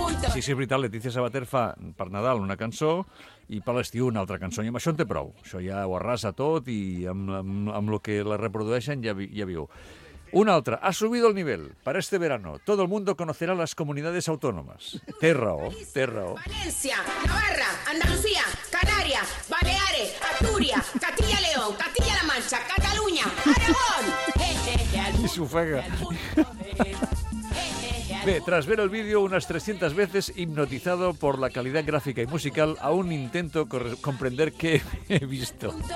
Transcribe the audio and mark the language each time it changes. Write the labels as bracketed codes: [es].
[ca] Sí, sí, és veritat, Letizia Sabater fa per Nadal una cançó i per l'estiu una altra cançó, i amb això en té prou. Això ja ho arrasa tot i amb el que la reprodueixen ja viu. Una altra. [es] Ha subido el nivel. Para este verano, todo el mundo conocerá las comunidades autónomas. [ca] Té raó. València, Navarra, Andalusia, Canàries, Baleares, Astúries, Castilla León, Castilla-La Mancha, Catalunya, Aragón. I s'ofega. [es] Bé, tras ver el vídeo unas 300 veces, hipnotizado por la calidad gráfica y musical, aún intento comprender qué he visto.